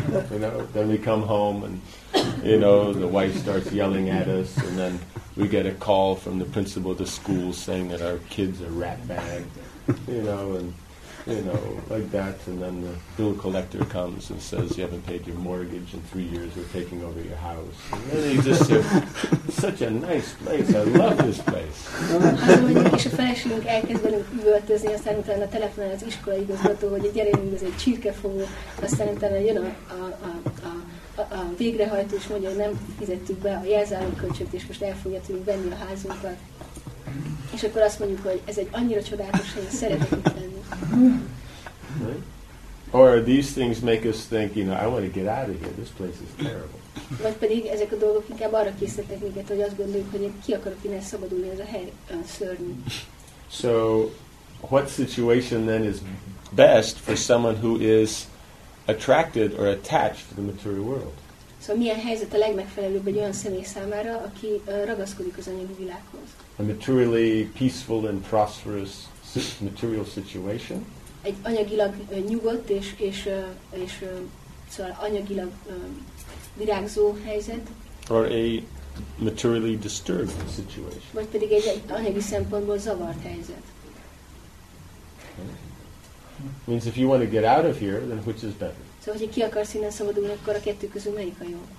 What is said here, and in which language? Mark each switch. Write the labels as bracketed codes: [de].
[en] You know, then we come home and, you know, the wife starts yelling at us and then we get a call from the principal of the school saying that our kids are rat bag, you know, and you know, like that, and then the bill collector comes and says, you haven't paid your mortgage in 3 years, we're taking over your house. And then you just say, such a nice place, I love this place. [hu] És a feleségünk elkezd velünk üvöltözni, aztán utána telefonál az iskola igazgató, hogy a gyerekünk az egy csirkefogó, aztán utána jön a végrehajtó, és mondja, hogy nem fizettük be a jelzálogkölcsöt, és most el fogja tudni venni a házunkat. És akkor azt mondjuk, hogy ez egy annyira csodálatos hely, szeretek itt lenni. [en] Right? Or these things make us think, you know, I want to get out of here. This place is terrible. [hu] Vagy pedig ezek a dolgok inkább arra készítettek minket, hogy azt gondoljuk, hogy én ki akarok innen szabadulni, ez a hely szörnyű. [en] So, what situation then is best for someone who is attracted or attached to the material world? [hu] So, milyen helyzet a legmegfelelőbb egy olyan személy számára, aki ragaszkodik az anyagi világhoz? [en] A materially peaceful and prosperous material situation? [hu] Egy anyagilag nyugodt és szóval anyagilag virágzó helyzet? [en] Or a materially disturbed situation? [hu] Vagy pedig egy anyagi szempontból zavart helyzet? [en] Means if you want to get out of here, then which is better? [hu] So, hogyha ki akarsz innen szabadulni, akkor a kettő közül melyik a jó?